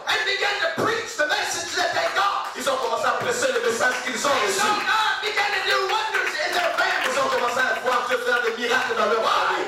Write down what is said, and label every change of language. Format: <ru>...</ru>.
<en>And began to preach the message that they got.</en> <fr>Ils ont commencé à prêcher le message qu'ils ont reçu.</fr> <en>And so God began to do wonders in their family.</en> <fr>Ils ont commencé à voir Dieu faire des miracles dans leur famille.</fr>